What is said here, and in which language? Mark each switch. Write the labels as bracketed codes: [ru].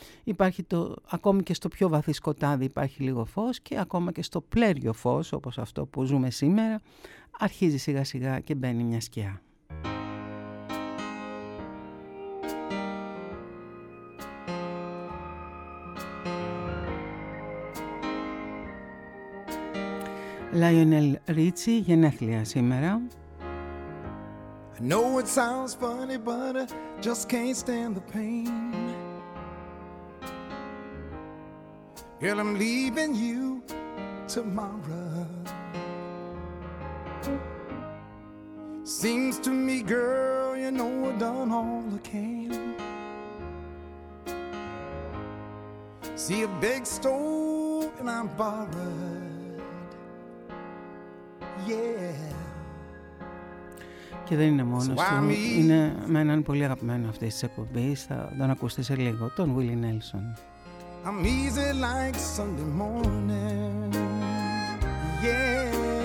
[el] Υπάρχει το, ακόμη και στο πιο βαθύ σκοτάδι υπάρχει λίγο φως και ακόμα και στο πλέριο φως, όπως αυτό που ζούμε σήμερα, αρχίζει σιγά σιγά και μπαίνει μια σκιά. Lionel Richie, γενέθλια σήμερα. [en] I know it sounds funny, but I just can't stand the pain. Girl, I'm leaving you tomorrow. Seems to me, girl, you know I've done all I can. See a big store and I'm borrowed. Yeah. [el] Και δεν είναι μόνος του, είναι με έναν πολύ αγαπημένο αυτής της εκπομπής. Θα τον ακούσετε σε λίγο, τον Willie Nelson. [en] I'm easy like Sunday morning. Yeah.